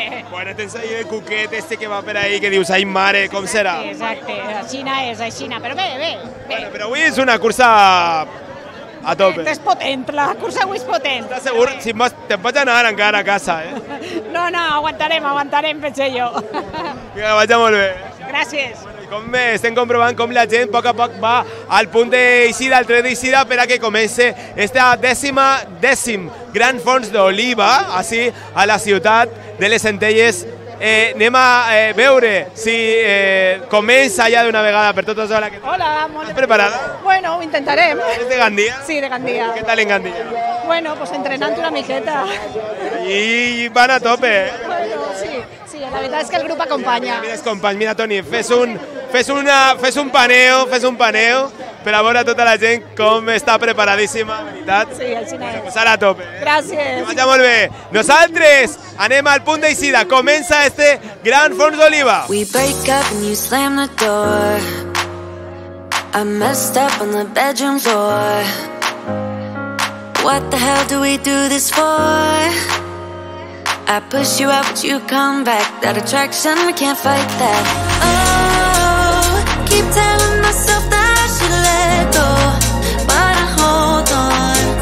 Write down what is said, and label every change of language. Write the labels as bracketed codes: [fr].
[es] Bueno, te ensayo el cuquete este que va por ahí, [ca] que dius, [es] ay, mare, ¿cómo será? [ca] Exacte. Aixina, pero bebé. [es] Bueno, pero hoy es una cursa a tope. Es potente, la cursa hoy es potente. ¿Estás segur? Si más, te vas a [ca] anar encara a casa, [es] ¿eh? [ca] No, aguantarem, pensé yo. [es] Que vaya muy bien. Gracias. [ca] Com estem comprovant com la gent poc a poc va al punt d'eixida, al tret d'eixida, per a que comence esta dècim Gran Fons d'Oliva, així a la ciutat de les Centelles. Anem a veure si comença ja d'una vegada per totes. Hola, estàs preparada? Bueno, ho intentarem. És de Gandia? Sí, de Gandia. Què tal en Gandia? Bueno, pues entrenant una miqueta. I van a tope. Bueno, sí. [es] La verdad es que el grupo acompaña. Mira, Toni, [ca] fes un paneo, [es] pero ahora toda la gente como está preparadísima, ¿verdad? Sí, así no es. Pues a la tope. Gracias. Que vaya muy bien. Nosotros [ca] anem al punt d'eixida. [es] Comienza este Gran Fons d'Oliva. [en] We break up and you slam the door. I messed up on the bedroom floor. What the hell do we do this for? I push you out, but you come back. That attraction, we can't fight that. Oh, keep telling myself that I should let go, but I hold on.